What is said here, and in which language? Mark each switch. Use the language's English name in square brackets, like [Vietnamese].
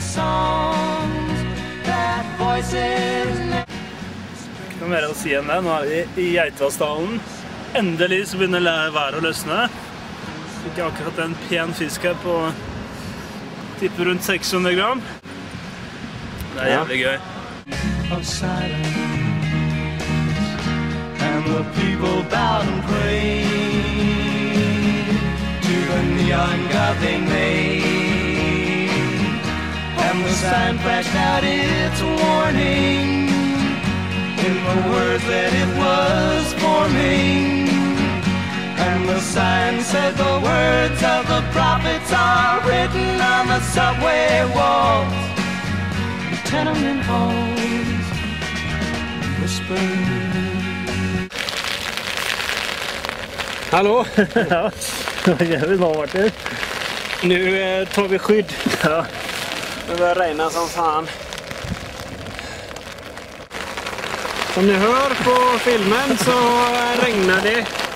[English] songs that voices [Norwegian] Det er mer å si enn det. Nå I Geitvassdalen. Endelig så begynner været å løsne. Fikk jeg akkurat en pen fisk her på tippet rundt 600 gram. Det jævlig gøy. [English] Of silence And the people bowed and prayed To the neon god they made And the sign flashed out its warning In the words that it was forming And the sign said the words of the prophets Are written on the subway walls The tenement halls whispered Hallå! [Swedish] Ja, det var jävligt bra, Martin. Nu tar vi skydd. Ja, det börjar regna som fan. Som ni hör på filmen så regnar det.